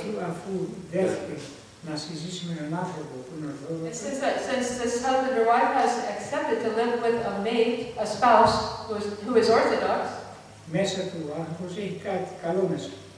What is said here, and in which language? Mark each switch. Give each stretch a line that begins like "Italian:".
Greek: Αφού δέχεται να συζήσει με έναν άνθρωπο που είναι Ορθόδοξος.
English: It says that since this husband or wife has accepted to live with a mate, a spouse who is Orthodox,
Greek: μέσα του άνθρωπος έχει κάτι καλό μέσα.